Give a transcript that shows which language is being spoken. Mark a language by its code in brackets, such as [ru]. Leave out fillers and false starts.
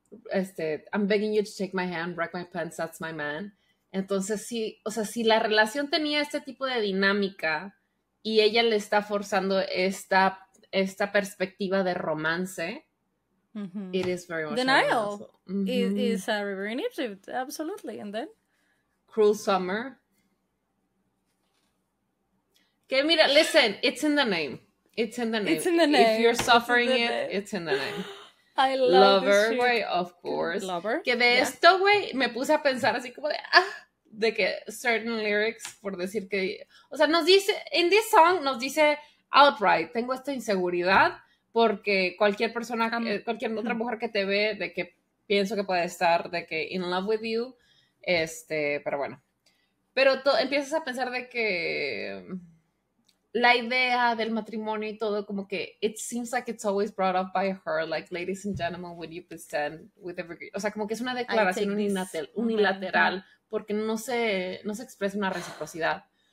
[es] Este, [en] I'm begging you to take my hand, wreck my pants, that's my man. [es] Entonces, sí, o sea, si la relación tenía este tipo de dinámica y ella le está forzando esta perspectiva de romance, [en] it is very much denial. It's a river in Egypt, absolutely. And then, cruel summer. [es] Que mira, [en] listen, it's in the name. If you're suffering it's in the name. I love Lover, güey, of course. Lover. [es] Que de esto, güey, me puse a pensar así como de, de que [en] certain lyrics, [es] por decir que, o sea, nos dice, [en] in this song, [es] nos dice outright, tengo esta inseguridad porque cualquier persona, cualquier otra mujer que te ve, de que pienso que puede estar, de que [en] in love with you, [es] este, pero bueno. Pero empiezas a pensar de que la idea del matrimonio y todo, como que, [en] it seems like it's always brought up by her, like, ladies and gentlemen, would you present with every... [es] O sea, como que es una declaración unilateral, porque no se expresa una reciprocidad.